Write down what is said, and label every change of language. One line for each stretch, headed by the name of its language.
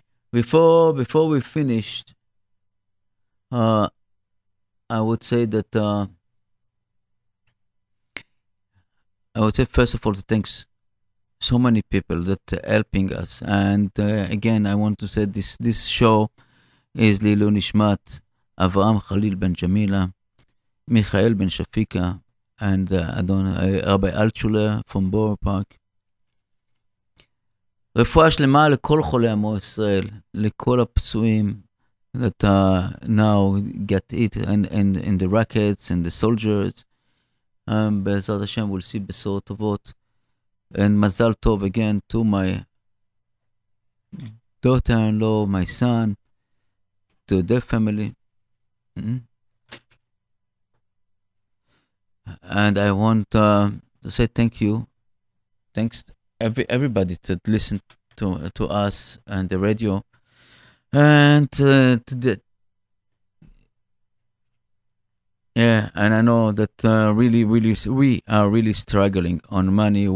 English: Before we finished, I would say first of all to thanks so many people that are helping us. And again, I want to say this show is Lilu Nishmat Avraham Khalil Ben Jamila, Michael Ben Shafika, and Rabbi Altshuler from Borough Park.
Hebrew: רפואה שלמה לכל חולי עמו ישראל, לכל הפצועים
English: that now get it in the rockets and the soldiers.
Hebrew: בעזרת השם,
English: we'll see בשורות טובות. And מזל טוב again to my daughter-in-law, my son, to their family. And I want to say thank you. Thanks everybody that listened to us and the radio, and yeah, and I know that really we are really struggling on money.